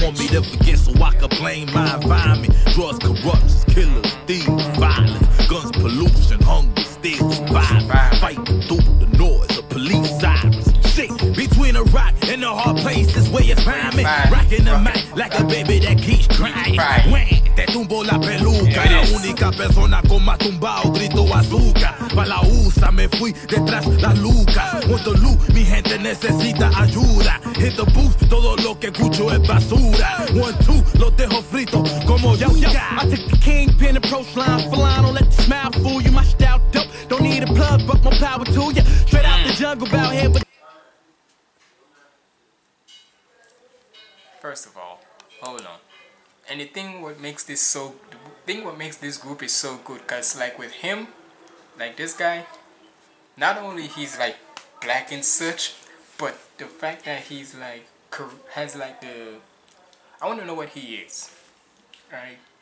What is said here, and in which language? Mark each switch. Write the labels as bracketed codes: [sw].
[en] They want me to forget so I can blame my environment. Drugs, corrupts, killers, thieves, violence. Guns, pollution, hunger, still surviving. Fighting through the noise of police sirens. Between a rock and a hard place is where you find me. Rocking the mic like a baby that keeps crying. When [es] te tumbo la peluca, la única persona con más tumbao, grito azúcar. Pa' la usa, me fui detrás la luca. [en] Want the loot, [es] mi gente necesita ayuda. [en] Hit the booth, [es] todo lo que escucho es basura. 1-2, lo dejo frito como yuca. [en] I took the kingpin approach line, flying, don't let the smile fool you. My style dope, don't need a plug, but more power to ya. Straight out the jungle, bout here, but first of all, hold on. And the thing what makes this so, group is so good, cause like with him, like this guy, not only he's like black and such, but the fact that he's like has like the, I want to know what he is, right?